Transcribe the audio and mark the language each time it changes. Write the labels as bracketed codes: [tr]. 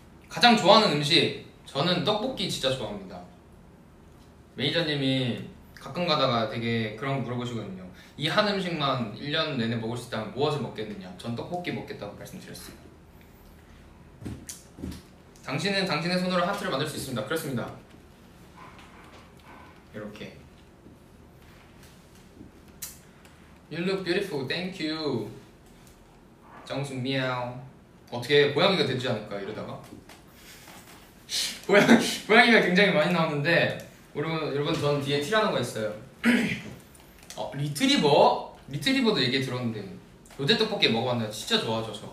[ko] 가장 좋아하는 음식, 저는 떡볶이 진짜 좋아합니다. 매니저님이 가끔 가다가 되게 그런 거 물어보시거든요. 이 한 음식만 1년 내내 먹을 수 있다면 무엇을 먹겠느냐. 전 떡볶이 먹겠다고 말씀드렸어요. 당신은 당신의 손으로 하트를 만들 수 있습니다. 그렇습니다. 이렇게 [en] You look beautiful. Thank you. 정숙 미야오. [ko] 어떻게 고양이가 되지 않을까 이러다가 고양이가 굉장히 많이 나왔는데 여러분 전 뒤에 티라노가 있어요. 리트리버? 리트리버도 얘기 들었는데 로제 떡볶이 먹어봤는데 진짜 좋아하죠 저.